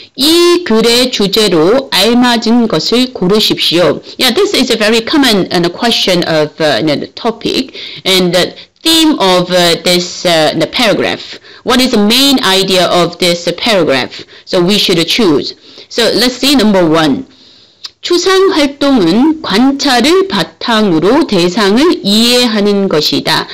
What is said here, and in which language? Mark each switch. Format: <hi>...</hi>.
<ko>이 글의 주제로 알맞은 것을 고르십시오.</ko> <en>Yeah, this is a very common question of the topic and the theme of this the paragraph. What is the main idea of this paragraph? So we should choose. So let's see number one.</en> <ko>추상 활동은 관찰을 바탕으로 대상을 이해하는 것이다.</ko>